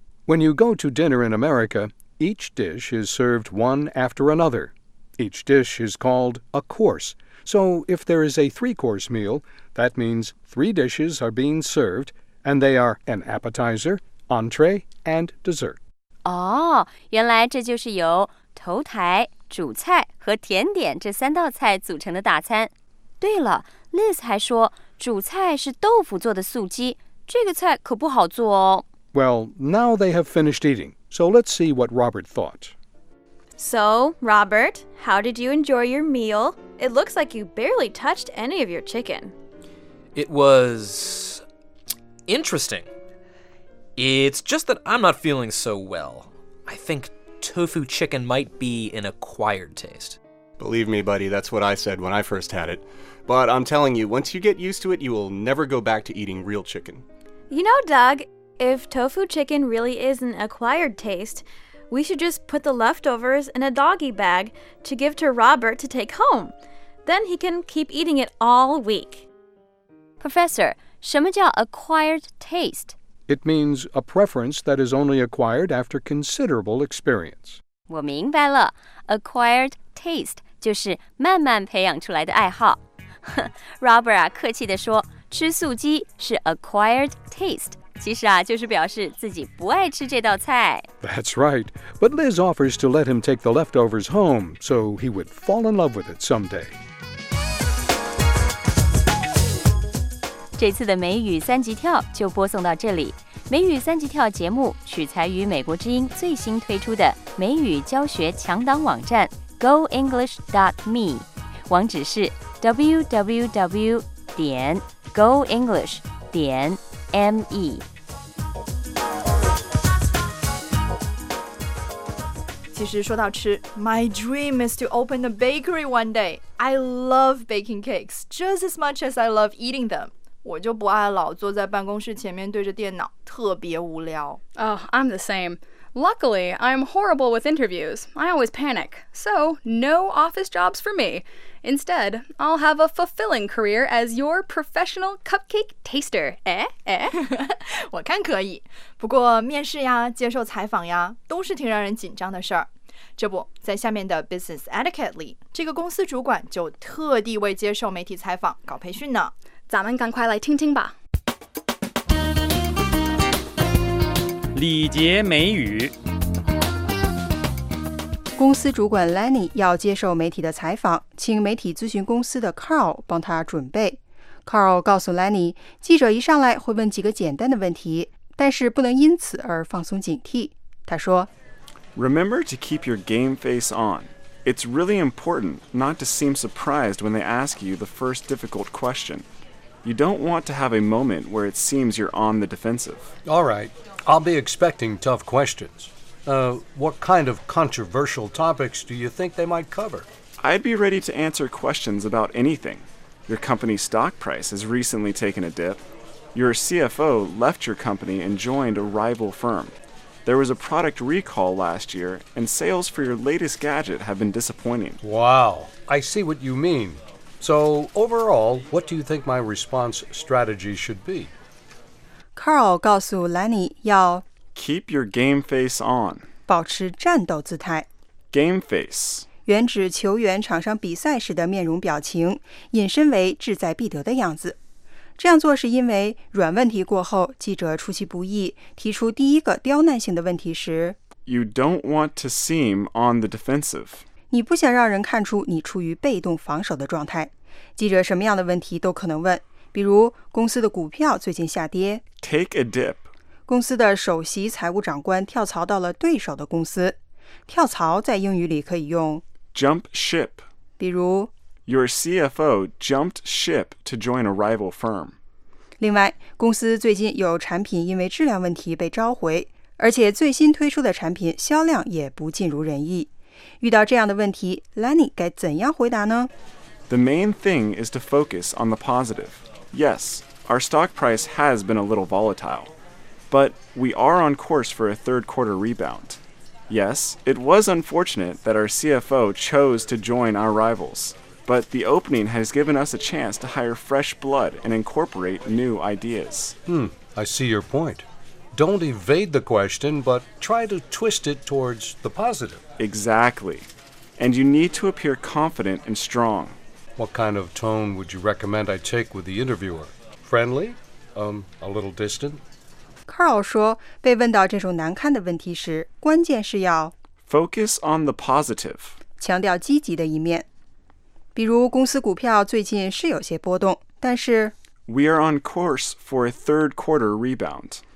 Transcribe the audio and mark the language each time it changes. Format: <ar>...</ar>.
<en>When you go to dinner in America, each dish is served one after another. Each dish is called a course. So if there is a 3-course meal, that means 3 dishes are being served, and they are an appetizer, entree, and dessert.</en> <zh>哦，原来这就是由头台、主菜和甜点这三道菜组成的大餐。对了 ，Liz 还说主菜是豆腐做的素鸡，这个菜可不好做哦。</zh> <en>Well, now they have finished eating, so let's see what Robert thought. So, Robert, how did you enjoy your meal? It looks like you barely touched any of your chicken. It was interesting. It's just that I'm not feeling so well. I think tofu chicken might be an acquired taste. Believe me, buddy, that's what I said when I first had it. But I'm telling you, once you get used to it, you will never go back to eating real chicken. You know, Doug, if tofu chicken really is an acquired taste, we should just put the leftovers in a doggy bag to give to Robert to take home. Then he can keep eating it all week. Professor,</en> <zh>什么叫</zh> <en>acquired taste? It means a preference that is only acquired after considerable experience.</en> <zh>我明白了 ,</zh> <en>acquired taste</en> <zh>就是慢慢培养出来的爱好。 Robert 啊，客气地说，吃素鸡是</zh> <en>acquired taste。</en> <zh>其实啊，就是表示自己不爱吃这道菜。</zh> <en>That's right. But Liz offers to let him take the leftovers home, so he would fall in love with it someday.</en> <zh>这次的美语三级跳就播送到这里。美语三级跳节目取材于美国之音最新推出的美语教学强档网站 goenglish.me， 网址是 www.goenglish.me。其实说到吃</zh> <en>My dream is to open a bakery one day. I love baking cakes just as much as I love eating them.</en> <zh>我就不爱老坐在办公室前面对着电脑，特别无聊。</zh> <en>Oh, I'm the same. Luckily, I'm horrible with interviews. I always panic. So, no office jobs for me. Instead, I'll have a fulfilling career as your professional cupcake taster.</en> <zh>我看可以。不过面试呀，接受采访呀，都是挺让人紧张的事儿。这不，在下面的</zh> <en>business etiquette</en> <zh>里，这个公司主管就特地为接受媒体采访搞培训呢。咱们赶快来听听吧。礼节美语。公司主管 Lenny 要接受媒体的采访，请媒体咨询公司的 Carl 帮他准备。 Carl 告诉 Lenny， 记者一上来会问几个简单的问题，但是不能因此而放松警惕。他说</zh> <en>：“Remember to keep your game face on. It's really important not to seem surprised when they ask you the first difficult question. You don't want to have a moment where it seems you're on the defensive. All right. I'll be expecting tough questions. What kind of controversial topics do you think they might cover? I'd be ready to answer questions about anything. Your company's stock price has recently taken a dip. Your CFO left your company and joined a rival firm. There was a product recall last year, and sales for your latest gadget have been disappointing. Wow, I see what you mean. So overall, what do you think my response strategy should be?</en> <zh>Carl 告诉 Lenny 要</zh> <en>Keep your game face on</en> <zh>保持战斗姿态</zh> <en>Game face</en> <zh>原指球员场上比赛时的面容表情引申为志在必得的样子这样做是因为软问题过后记者出其不意提出第一个刁难性的问题时</zh> <en>You don't want to seem on the defensive</en> <zh>你不想让人看出你处于被动防守的状态记者什么样的问题都可能问比如公司的股票最近下跌</zh> <en>Take a dip</en> <zh>公司的首席财务长官跳槽到了对手的公司跳槽在英语里可以用</zh> <en>Jump ship</en> <zh>比如</zh> <en>Your CFO jumped ship to join a rival firm</en> <zh>另外公司最近有产品因为质量问题被召回而且最新推出的产品销量也不尽如人意遇到这样的问题 Lenny 该怎样回答呢</zh> <en>The main thing is to focus on the positive. Yes, our stock price has been a little volatile, but we are on course for a third quarter rebound. Yes, it was unfortunate that our CFO chose to join our rivals, but the opening has given us a chance to hire fresh blood and incorporate new ideas. I see your point. Don't evade the question, but try to twist it towards the positive. Exactly. And you need to appear confident and strong. What kind of tone would you recommend I take with the interviewer? Friendly? A little distant?</en> <zh>Carl 说被问到这种难堪的问题时关键是要</zh> <en>Focus on the positive.</en> <zh>强调积极的一面。比如公司股票最近是有些波动但是</zh> <en>We are on course for a third quarter rebound.</en>